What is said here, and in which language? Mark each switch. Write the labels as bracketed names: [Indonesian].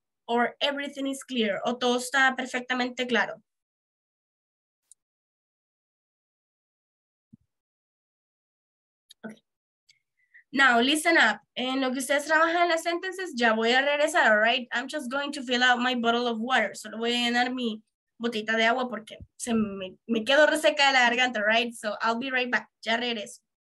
[English] Or everything is clear, [Spanish] o todo está perfectamente claro. [English] Now, listen up. [Spanish] En lo que ustedes trabajan en las sentences, ya voy a regresar, all right? [English] I'm just going to fill out my bottle of water. [Spanish] Solo voy a llenar mi botita de agua porque se me quedo reseca de la garganta, right? [English] So I'll be right back. [Spanish] Ya regreso.